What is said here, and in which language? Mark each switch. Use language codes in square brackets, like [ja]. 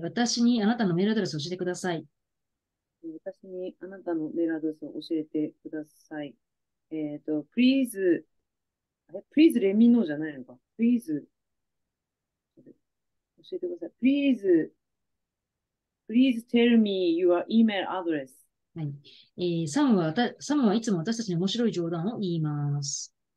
[ja] 私にあなたのメールアドレスを教えてください。私にあなたのメールアドレスを教えてください。 [en] Please、Please let me know [ja] じゃないのか。 Please、教えてください。 [en] Please tell me your email address. [ja] はい、サムはいつも私たちに面白い冗談を言います。